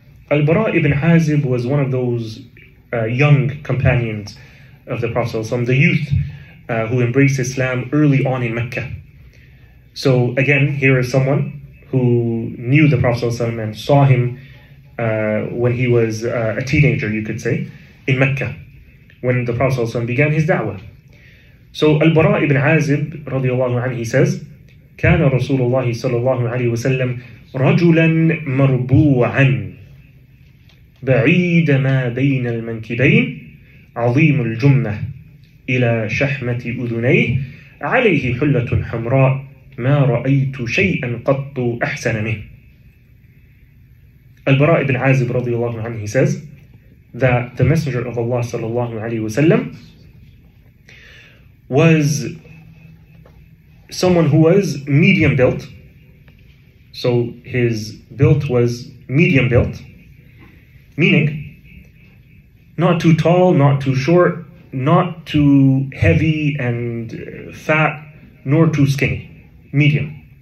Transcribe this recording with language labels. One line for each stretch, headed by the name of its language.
English: Al-Bara ibn Azib was one of those young companions of the Prophet, some the youth who embraced Islam early on in Mecca. So again, here is someone who knew the Prophet and saw him when he was a teenager, you could say, in Mecca, when the Prophet began his da'wah. So Al-Bara ibn Azib radiallahu anhu, he says,
Arabic: كَانَ رَسُولُ اللَّهِ صَلَى اللَّهُ عَلَيْهِ وَسَلَّمْ رَجُلًا مَرْبُوعًا بَعِيدَ مَا بَيْنَ الْمَنْكِبَيْنِ عظيم الجنة إلى شحمة أذنيه عليه حلة حمراء ما رأيت شيئا قط أحسن منه. البراء بن عازب رضي الله عنه,
English: he says that the messenger of Allah صلى الله عليه وسلم was someone who was medium built. So his build was medium built, meaning not too tall, not too short, not too heavy and fat, nor too skinny. Medium.